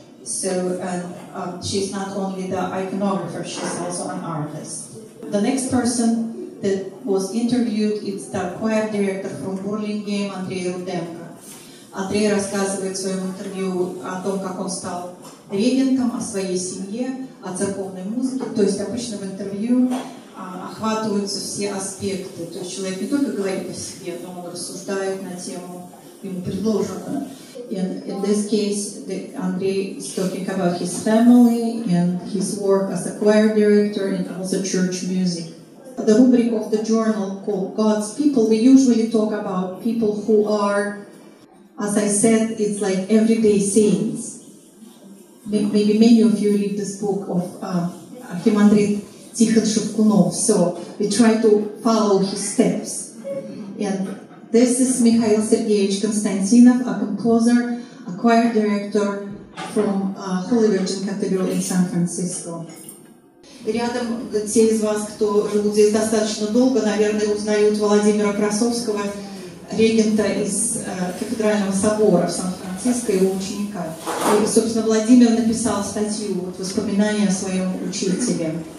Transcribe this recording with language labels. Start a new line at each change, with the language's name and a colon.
English: She's not only the iconographer, she's also an artist. The next person that was interviewed is the choir director from Burlingame, Андрей Руденко.
Russian: Андрей рассказывает в своем интервью о том, как он стал регентом, о своей семье, о церковной музыке. То есть обычно в интервью охватываются все аспекты. То есть человек не только говорит о себе, но он рассуждает на тему, ему предложено.
English: In this case, Andrei is talking about his family and his work as a choir director and also church music. The rubric of the journal called God's People, we usually talk about people who are, as I said, it's like everyday saints. Maybe many of you read this book of Архимандрит Тихон Шевкунов. So we try to follow his steps. And this is Mikhail Sergeyevich Konstantinov, a composer, a choir director from Holy Virgin Cathedral in San Francisco.
Russian: Рядом те из вас, кто жил здесь достаточно долго, наверное, узнают Владимира Красовского, регента из Кафедрального собора в Сан-Франциско, его ученика. И, собственно, Владимир написал статью, вот, воспоминания о своем учителе.